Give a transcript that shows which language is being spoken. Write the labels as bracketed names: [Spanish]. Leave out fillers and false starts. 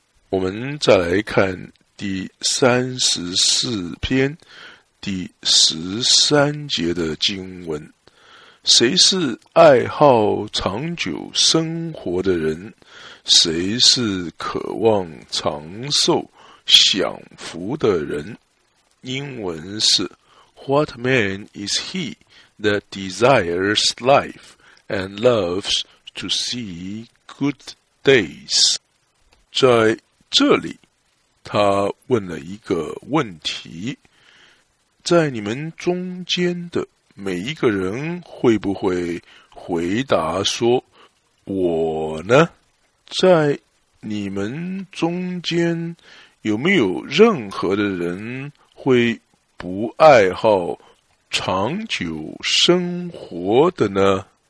[Chinese] 我们再来看第34篇第13节的经文，谁是爱好长久生活的人，谁是渴望长寿享福的人。英文是 [English] What man is he that desires life and loves to see good days? [Chinese] 在这里他问了一个问题，在你们中间的每一个人会不会回答说我呢？在你们中间有没有任何的人会不爱好长久生活的呢？